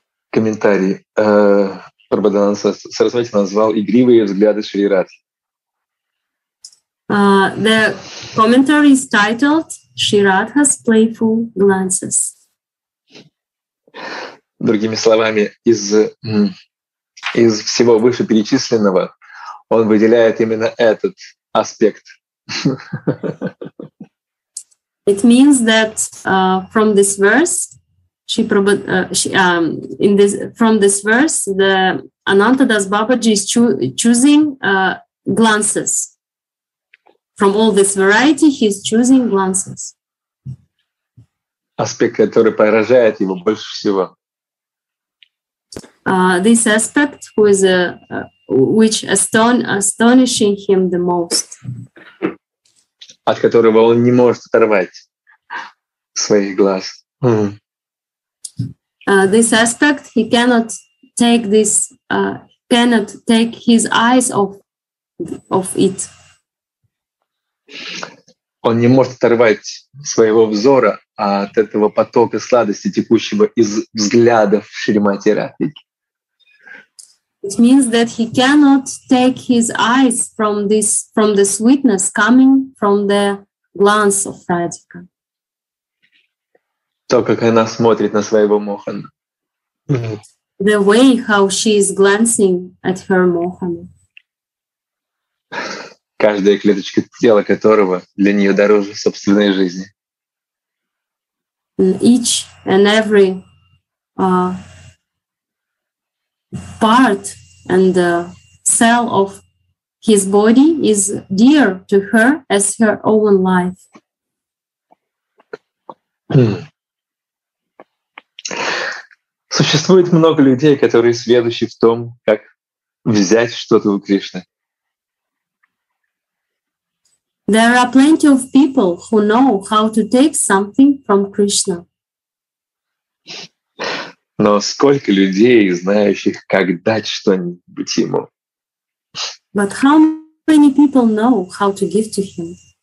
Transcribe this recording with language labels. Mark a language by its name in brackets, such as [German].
[Russian] Комментарий Прабхудананда Сарасвати назвал игривые взгляды Шри Радхи. [English] The commentary is titled Shri Radha's Playful Glances. [Russian] Другими словами, из всего вышеперечисленного он выделяет именно этот аспект. [English] It means that from this verse, from this verse, the Ananta Das Babaji is choosing glances. From all this variety, he is choosing glances. [Russian] Аспект, который поражает его больше всего. [English] this aspect, which astonishing him the most. [Russian] От которого он не может оторвать своих глаз. Mm-hmm. [English] This aspect he cannot take this cannot take his eyes off it. [Russian] Он не может оторвать своего взора от этого потока сладости, текущего из взглядов Шримати Радхики. [English] It means that he cannot take his eyes from this, from the sweetness coming from the glance of Radhika. [Russian] То, как она смотрит на своего Мохана. [English] The way how she is glancing at her Mohana. [Russian] Каждая клеточка тела которого для нее дороже собственной жизни. [English] Each and every part and the cell of his body is dear to her as her own life. [Russian] Существует много людей, которые сведущи в том, как взять что-то у Кришны. [English] There are plenty of people who know how to take something from Krishna. [Russian] Но сколько людей, знающих, как дать что-нибудь ему? [English] But how many people know how to give to him?